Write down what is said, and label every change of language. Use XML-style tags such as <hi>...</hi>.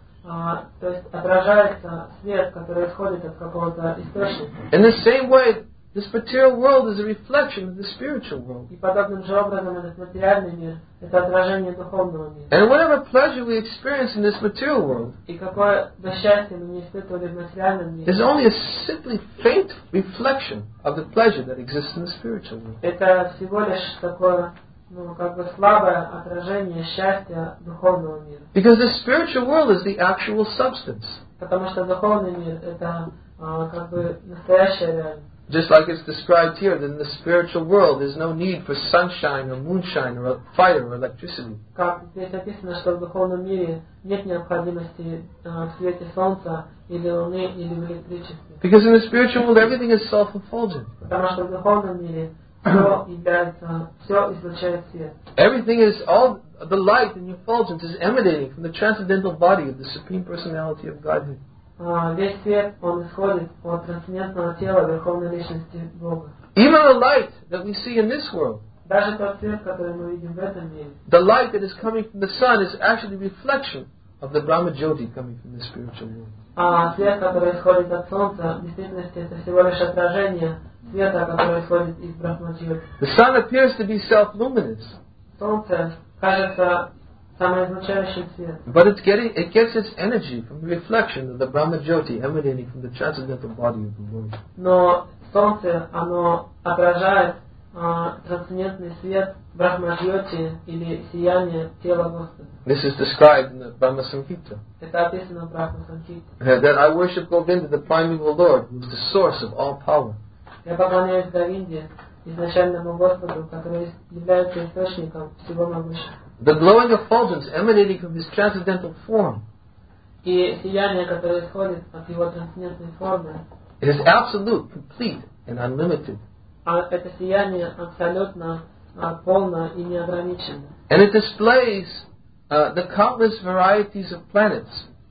<ru>то есть отражается свет, который исходит от какого-то источника.</ru> <en>In the same way, this material world is a reflection of the spiritual world.</en> <ru>И подобным же образом этот материальный мир это отражение духовного мира.</ru> <en>And whatever pleasure we experience in this material world,</en> <ru>и какое бы счастье мы не испытывали в материальном мире,</ru> <en>is only a simply faint reflection of the pleasure that exists in the spiritual world.</en> <ru>Это всего лишь такое, ну, как бы слабое отражение счастья духовного мира.</ru> <en>Because the spiritual world is the actual substance.</en> <ru>Потому что духовный мир это как бы настоящая реальность.</ru> <en>Just like it's described here, that in the spiritual world there's no need for sunshine or moonshine or fire or electricity.</en> <ru>Как здесь описано, что в духовном мире нет необходимости в свете солнца или луны или в электричестве.</ru> <en>Because in the spiritual world everything is self-effulgent.</en> <ru>Потому что в духовном мире все является, все излучает свет.</ru> <en>Everything is all the light and effulgence is emanating from the transcendental body of the Supreme Personality of Godhead.</en> <ru>Весь свет, он исходит от трансцендентного тела Верховной Личности Бога.</ru> <en>Even the light that we see in this world,</en> <ru>даже тот свет, который мы видим в этом мире,</ru> <en>the light that is coming from the sun is actually a reflection of the Brahma Jyoti coming from the spiritual world.</en> <ru>Свет, который исходит от солнца, в действительности это всего лишь отражение света, который исходит из Брахма Джоти.</ru> <en>The sun appears to be self-luminous.</en> <ru>Солнце кажется самоизлучающим светом.</ru> <en>But it's getting, it gets its energy from the reflection of the Brahma Jyoti emanating from the transcendental body of the world.</en> <ru>Но солнце, оно отражает трансцендентный свет Брахма Джоти или сияние тела Господа.</ru> <en>This is described in the Brahma Samhita.</en> <ru>Это описано в Брахма Самхите.</ru> <en>That I worship Govinda, the primeval Lord, who is the source of all power.</en> <ru>Я поклоняюсь Говинде, изначальному Господу, который является источником всего могущества.</ru> <en>The glowing effulgence emanating from his transcendental form.</en> <ru>И сияние, которое исходит от его трансцендентной формы.</ru> <en>It is absolute, complete, and unlimited.</en> <ru>А это сияние абсолютно полно и неограничено.</ru> <en>And it displays the countless varieties of planets.</en>